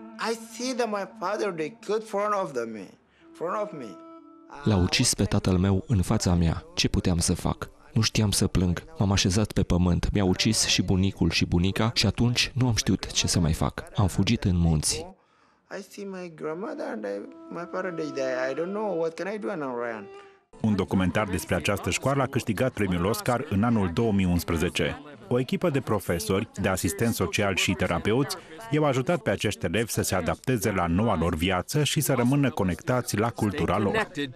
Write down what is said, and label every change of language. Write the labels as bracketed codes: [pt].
[en] I see that my father they killed front of me. [ro] L-a ucis pe tatăl meu în fața mea. Ce puteam să fac? Nu știam să plâng. M-am așezat pe pământ. Mi-a ucis și bunicul și bunica și atunci nu am știut ce să mai fac. Am fugit în munți. [en] I see my grandmother and my father they died. I don't know what can I do and I ran. [ro] Un documentar despre această școală a câștigat premiul Oscar în anul 2011. O echipă de profesori, de asistenți sociali și terapeuți i-au ajutat pe acești elevi să se adapteze la noua lor viață și să rămână conectați la cultura lor.